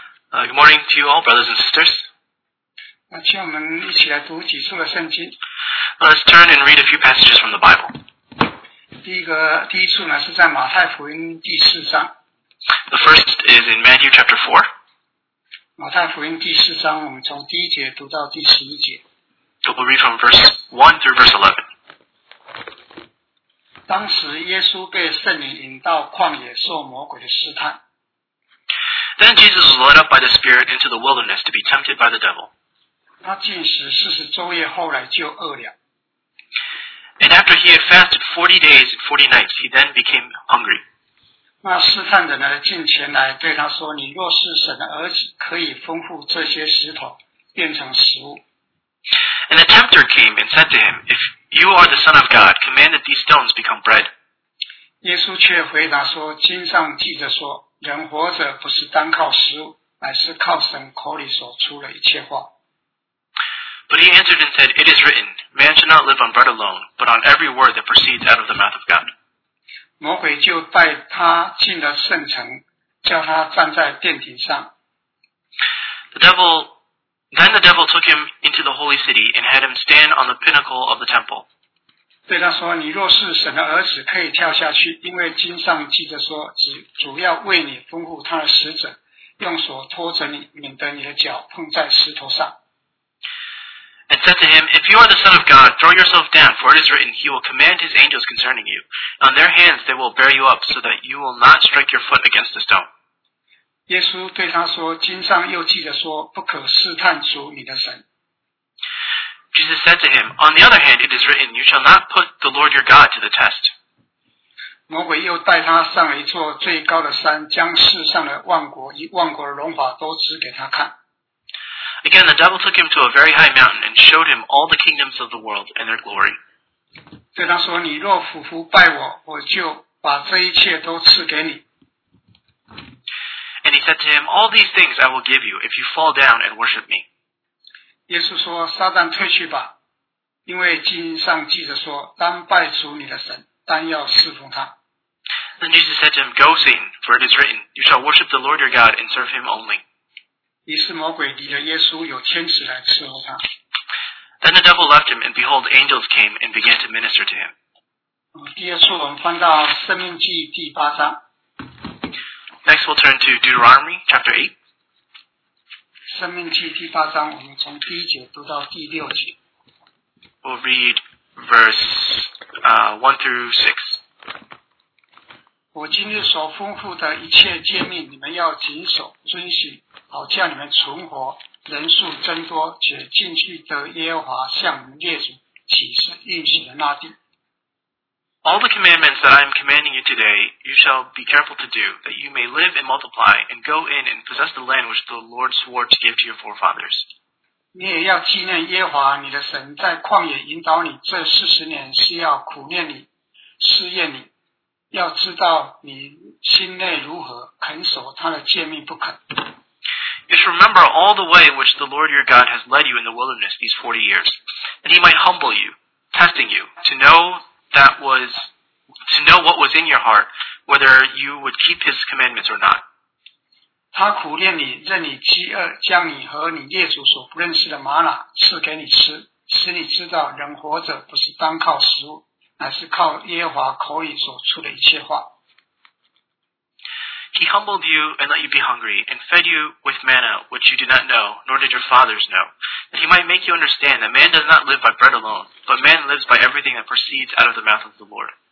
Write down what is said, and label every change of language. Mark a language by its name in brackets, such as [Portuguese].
[English] Good morning to you all, brothers and sisters. [Chinese] 请我们一起来读几处的圣经。 [English] Let's turn and read a few passages from the Bible. [Chinese] 第一处呢是在马太福音第四章。 [English] The first is in Matthew chapter 4. [Chinese] 马太福音第四章，我们从第一节读到第十一节。 [English] So we'll read from verse 1 through verse 11. [Chinese] 当时耶稣被圣灵引到旷野受魔鬼的试探。 [English] Then Jesus was led up by the Spirit into the wilderness to be tempted by the devil. [Chinese] 他禁食40昼夜，后来就饿了。 [English] And after he had fasted 40 days and 40 nights, he then became hungry. [Chinese] 那试探者呢，近前来对他说，你若是神的儿子，可以吩咐这些石头变成食物。 [English] And the tempter came and said to him, If you are the Son of God, command that these stones become bread. [Chinese] 耶稣却回答说，经上记着说，人活着不是单靠食物，乃是靠神口里所出的一切话。 [English] But he answered and said, It is written, Man shall not live on bread alone, but on every word that proceeds out of the mouth of God. [Chinese] 魔鬼就带他进了圣城，叫他站在殿顶上。 [English] Then the devil took him into the holy city and had him stand on the pinnacle of the temple. [Chinese] 对他说，你若是神的儿子，可以跳下去，因为经上记着说，主要为你吩咐他的使者，用手托着你，免得你的脚碰在石头上。 [English] And said to him, If you are the Son of God, throw yourself down, for it is written, He will command His angels concerning you. On their hands they will bear you up, so that you will not strike your foot against the stone. [Chinese] 耶稣对他说，经上又记着说，不可试探主你的神。 [English] Jesus said to him, On the other hand, it is written, You shall not put the Lord your God to the test. [Chinese] 魔鬼又带他上了一座最高的山，将世上的万国与万国的荣华都指给他看。 [English] Again, the devil took him to a very high mountain and showed him all the kingdoms of the world and their glory. [Chinese] 对他说，你若俯伏拜我，我就把这一切都赐给你。 [English] And he said to him, All these things I will give you if you fall down and worship me. [Chinese] 耶稣说，撒旦退去吧，因为经上记着说，当拜主你的神，当要侍奉他。 [English] Then Jesus said to him, Go, Satan, for it is written, You shall worship the Lord your God and serve him only. [Chinese] 于是魔鬼离了耶稣，有天使来伺候他。 [English] Then the devil left him, and behold, angels came and began to minister to him. [Chinese] 第二处我们翻到《生命记》第八章。 [English] Next, we'll turn to Deuteronomy chapter 8. [Chinese] 生命记第八章，我们从第一节读到第六节。 [English] We'll read verse 1 through 6. [Chinese] 我今日所吩咐的一切诫命，你们要谨守遵行，好叫你们存活，人数增多，且进去得耶和华向你们列祖起誓应许的那地。 [English] All the commandments that I am commanding you today, you shall be careful to do, that you may live and multiply, and go in and possess the land which the Lord swore to give to your forefathers. [Chinese] 你也要纪念耶和华你的神在旷野引导你这四十年，是要苦练你，试验你，要知道你心内如何，肯守他的诫命不肯。 [English] You should remember all the way which the Lord your God has led you in the wilderness these 40 years, that he might humble you, testing you, to know what was in your heart, whether you would keep his commandments or not. [Chinese] 他苦练你，任你饥饿，将你和你列祖所不认识的玛瑙赐给你吃，使你知道人活着不是单靠食物，乃是靠耶和华口里所出的一切话。 [English] He humbled you and let you be hungry, and fed you with manna, which you did not know, nor did your fathers know, that he might make you understand that man does not live by bread alone, but man lives by everything that proceeds out of the mouth of the Lord.